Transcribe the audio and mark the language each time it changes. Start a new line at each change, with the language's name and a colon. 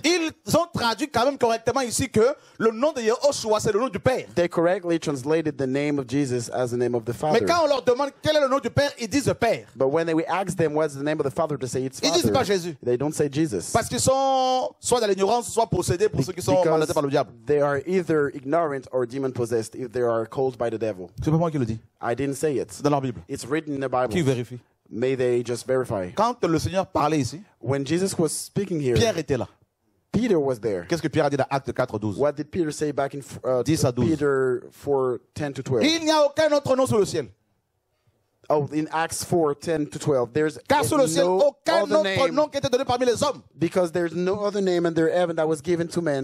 French: Ils ont traduit quand même correctement ici que le nom de Yeshua, c'est le nom du Père.
English: They correctly translated the name of Jesus as the name of the Father.
French: Mais quand on leur demande quel est le nom du Père, ils disent le Père.
English: But when we ask them what's the name of the Father, they say it's Father.
French: Ils disent pas Jésus.
English: They don't say Jesus.
French: Parce qu'ils sont soit dans l'ignorance, soit possédés. Pour ceux qui sont mandatés par le diable.
English: They are either ignorant or demon possessed if they are called by the devil.
French: C'est pas moi qui le dis.
English: I didn't say it.
French: C'est dans leur Bible.
English: It's written in the Bible.
French: Qui vérifie?
English: May they just verify.
French: Quand le Seigneur parlait ici,
English: when Jesus was speaking here,
French: Pierre était là.
English: Peter was there.
French: Qu'est-ce que Pierre a dit dans Actes 4, 12?
English: What did Peter say back in
French: 10 à 12.
English: Peter 4, 10 to 12?
French: Il n'y a aucun autre nom sous le ciel.
English: Oh, in Acts 4, 10 to 12, there's
French: car sous le ciel,
English: no
French: aucun autre nom qui était donné parmi les hommes.
English: Because there's no other name under heaven that was given to men.